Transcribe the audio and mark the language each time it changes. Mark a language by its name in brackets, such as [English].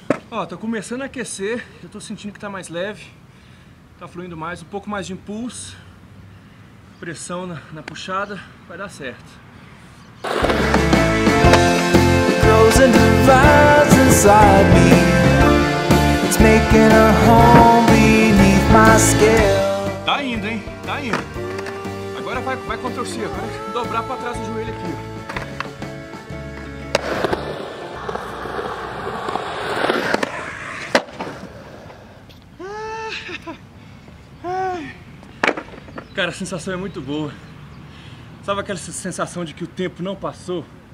[Portuguese] Oh. Ó, tô começando a aquecer. Eu tô sentindo que tá mais leve. Tá fluindo mais, um pouco mais de impulso. Pressão na puxada, vai dar certo. [English] Grows and divides inside me. It's making a home beneath my scale. [Portuguese] Tá indo, hein? Tá indo. Agora vai contorcer, vai dobrar pra trás do joelho aqui, ó. Cara, a sensação é muito boa. Sabe aquela sensação de que o tempo não passou?